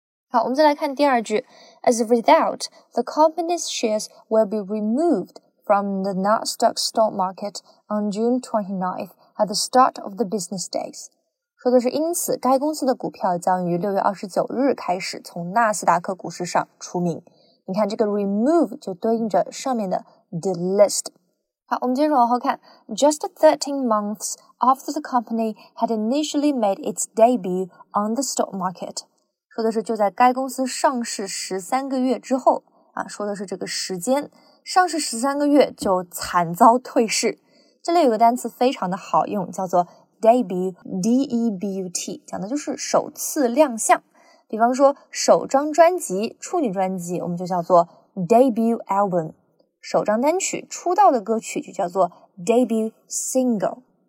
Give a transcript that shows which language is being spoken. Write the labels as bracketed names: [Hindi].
[Chinese] 好，我们再来看第二句， [English] as a result the company's shares will be removed from the Nasdaq stock market on June 29th at the start of the business days。 [Chinese] 说的是因此该公司的股票将于6月29日开始从纳斯达克股市上除名。你看这个 remove 就对应着上面的 delist。好，我们接着往后看。 [English] Just 13 months after the company had initially made its debut on the stock market。 [Chinese] 说的是就在该公司上市13个月之后啊，说的是这个时间上市13个月就惨遭退市。这里有个单词非常的好用，叫做debut, D-E-B-U-T， 讲的就是首次亮相。比方说首张专辑、处女专辑我们就叫做 [English] debut album， [Chinese] 首张单曲、出道的歌曲就叫做 [English] debut single。